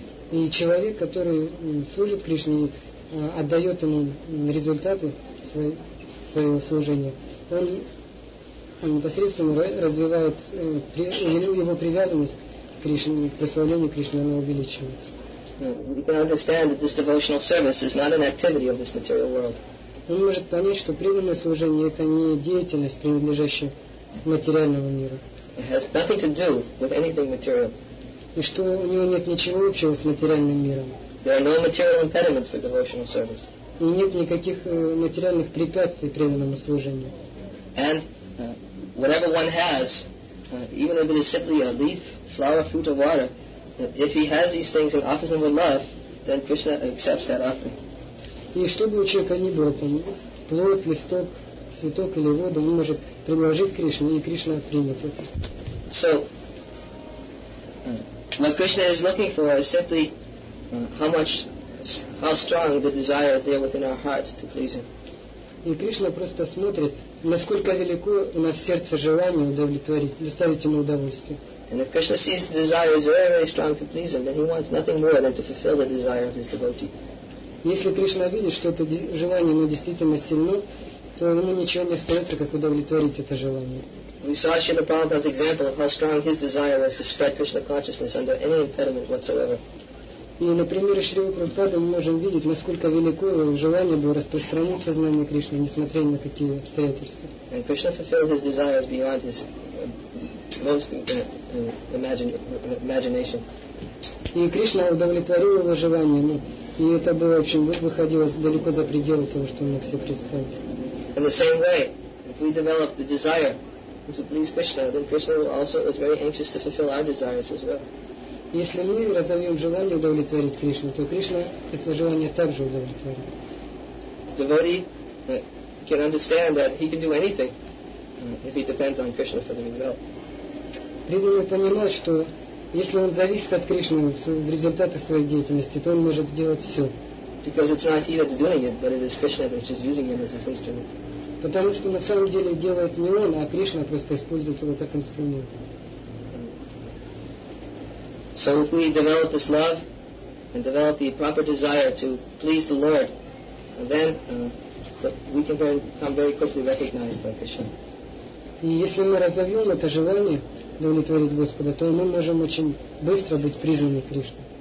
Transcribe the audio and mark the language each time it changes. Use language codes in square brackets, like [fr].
[ru] И человек, который служит Кришне, отдает ему результаты своего служения, он непосредственно развивает его привязанность к Кришне, к прославлению Кришны, она увеличивается. [en] We can understand that this devotional service is not an activity of this material world. [ru] Он может понять, что преданное служение это не деятельность, принадлежащая материальному миру. [en] It has nothing to do with anything material. [ru] И что у него нет ничего общего с материальным миром. [en] There are no material impediments for devotional service. [ru] И нет никаких материальных препятствий преданному служению. [en] And whatever one has, even if it is simply a leaf, flower, fruit or water, if he has these things and offers them with love, then Krishna accepts that offering. [ru] И что бы у человека ни было, там, плод, листок, цветок или воду, он может предложить Кришне, и Кришна примет это. [en] So, what Krishna is looking for is simply how strong the desire is there within our heart to please him. [ru] И Кришна просто смотрит, насколько велико у нас в сердце желание удовлетворить, доставить ему удовольствие. [en] And if Krishna sees the desire is very, very strong to please him, then he wants nothing more than to fulfill the desire of his devotee. [ru] Если Кришна видит, что это желание ему действительно сильно, то ему ничего не остается, как удовлетворить это желание. [en] We saw Srila Prabhupada's example of how strong his desire was to spread Krishna consciousness under any impediment whatsoever. [ru] И на примере Шрилы Прабхупады мы можем видеть, насколько велико его желание было распространить сознание Кришны, несмотря ни на какие обстоятельства. [en] And Krishna fulfilled his desires beyond his most imagination. [ru] И Кришна удовлетворил его желание, но и это было, в общем, выходило далеко за пределы того, что он мог себе представить. [en] In the same way, if we develop the desire to please Krishna, then Krishna also is very anxious to fulfill our desires as well. [ru] Если мы разовьем желание удовлетворить Кришну, то Кришна это желание также удовлетворит. [en] Devotee can understand that he can do anything if he depends on Krishna for the result. [ru] Преданный понимает, что если он зависит от Кришны в результатах своей деятельности, то он может сделать все. [en] Because it's not he that's doing it, but it is Krishna that is using him as his instrument. [ru] Потому что на самом деле делает не он, а Кришна просто использует его как инструмент. [en] So if we develop this love and develop the proper desire to please the Lord, then we can become very quickly recognized by Krishna. [ru] И если мы разовьем это желание удовлетворить Господа, то мы можем очень быстро быть признаны Кришной.